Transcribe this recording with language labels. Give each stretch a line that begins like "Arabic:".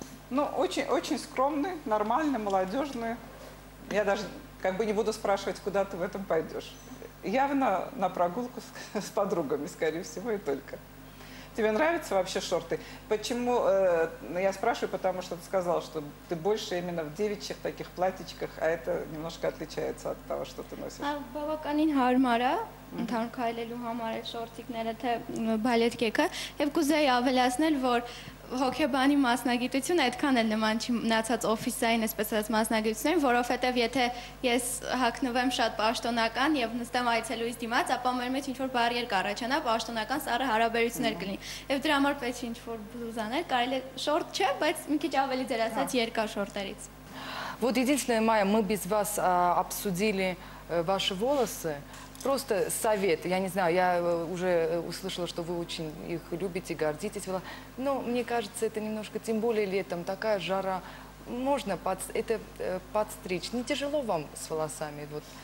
Russian: Ну, очень, очень скромный, нормальный, молодежный. Я даже как бы не буду спрашивать, куда ты в этом пойдешь. Явно на прогулку с подругами, скорее всего, и только. Тебе нравятся вообще шорты? Почему? Я спрашиваю, потому что ты сказала, что ты больше именно в девичьих таких платьичках, а это немножко отличается от того, что ты носишь.
Armenian: Բավականին հարմար է, ընդհանուր քայլելու համար է շորտիկները, թե բալետկեքը, եւ կուզեի ավելացնել, որ հոգեբանի մասնագիտությունը այդքան էլ նման չի մնացած օֆիսային, այսպես ասած, մասնագիտությունին, որովհետև եթե ես հագնվեմ շատ պաշտոնական և նստեմ այցելուից դիմաց, ապա մեր մեջ ինչ-որ բարիեր կառաջանա, պաշտոնական սառը հարաբերություններ կլինի։ Եվ դրա համար պետք է ինչ-որ բլուզաներ, կարելի է շորտ չէ, բայց մի քիչ ավելի ձերացած երկար շորտերից։
Russian: Вот единственное, Майя, мы без вас обсудили ваши волосы. Просто совет, я не знаю, я уже услышала, что вы очень их любите, гордитесь, но мне кажется, это немножко, тем более летом, такая жара, можно подстричь, не тяжело вам с волосами, вот.